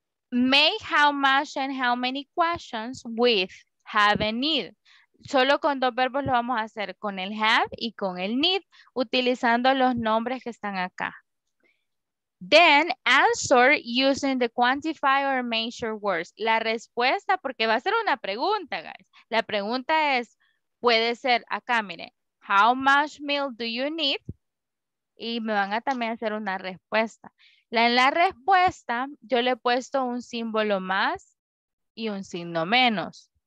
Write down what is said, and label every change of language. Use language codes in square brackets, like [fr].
[en] Make how much and how many questions with have and need. [es] Solo con dos verbos lo vamos a hacer, con el have y con el need, utilizando los nombres que están acá. [en] Then answer using the quantify or measure words. [es] La respuesta, porque va a ser una pregunta, guys. La pregunta es, puede ser, acá, miren, [en] how much milk do you need? [es] Y me van a también hacer una respuesta. En la respuesta, yo le he puesto un símbolo más y un signo menos.